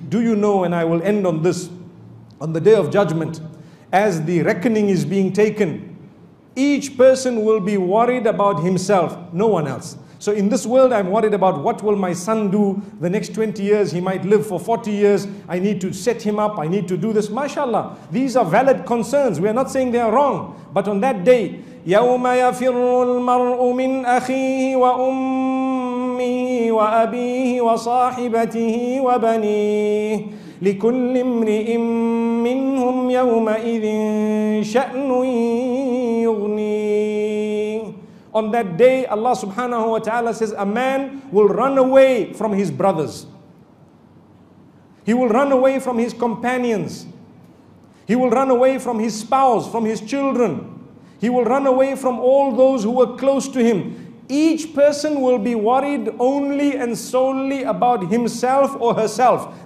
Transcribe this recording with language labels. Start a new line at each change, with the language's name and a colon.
English: Do you know, and I will end on this, on the day of judgment, as the reckoning is being taken, each person will be worried about himself, no one else. So in this world, I'm worried about what will my son do the next 20 years. He might live for 40 years. I need to set him up. I need to do this. MashaAllah, these are valid concerns. We are not saying they are wrong. But on that day,
Arabic: يَوْمَ يَفِرُّ الْمَرْءُ مِنْ أَخِيهِ وَأُمِّهِ وَأَبِيهِ وَصَاحِبَتِهِ وَبَنِيهِ لِكُلِّ امْرِئٍ مِّنْهُمْ يَوْمَئِذٍ شَأْنٌ يُغْنِيهِ.
English: On that day, Allah subhanahu wa ta'ala says, a man will run away from his brothers. He will run away from his companions. He will run away from his spouse, from his children. He will run away from all those who were close to him. Each person will be worried only and solely about himself or herself.